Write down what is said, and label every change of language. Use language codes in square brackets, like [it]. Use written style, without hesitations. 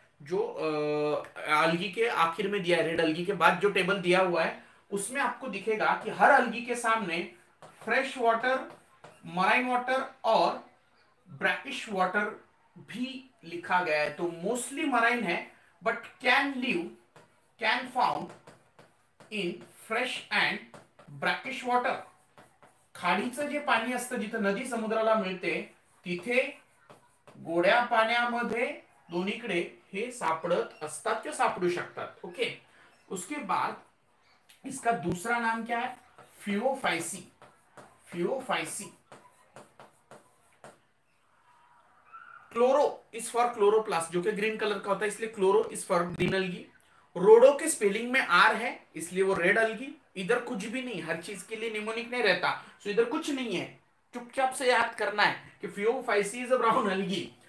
[hi] जो अल्गी के आखिर में दिया है, रेड अल्गी के बाद जो टेबल दिया हुआ है उसमें आपको दिखेगा कि हर अल्गी के सामने फ्रेश वाटर, मराइन वाटर और ब्रैकिश वाटर भी लिखा गया है। तो मोस्टली मराइन है [en] But can live, can found in fresh and brackish water. [mr] खाडीचं जे पाणी असतं जिथं नदी समुद्राला मिळते तिथे गोड्या पाण्यामध्ये दोन्हीकडे हे सापडत असतात किंवा सापडू शकतात। [hi] ओके, उसके बाद इसका दूसरा नाम क्या है? फियोफायसी। फियोफायसी क्लोरो इज फॉर क्लोरोप्लास्ट, जो कि ग्रीन कलर का होता है, इसलिए chloro is for green algae. रोडो के स्पेलिंग में आर है इसलिए वो रेड अल्गी। इधर कुछ भी नहीं, हर चीज के लिए निमोनिक नहीं रहता, सो इधर कुछ नहीं है, चुपचाप से याद करना है कि फियोफायसी [en] Is a brown algae.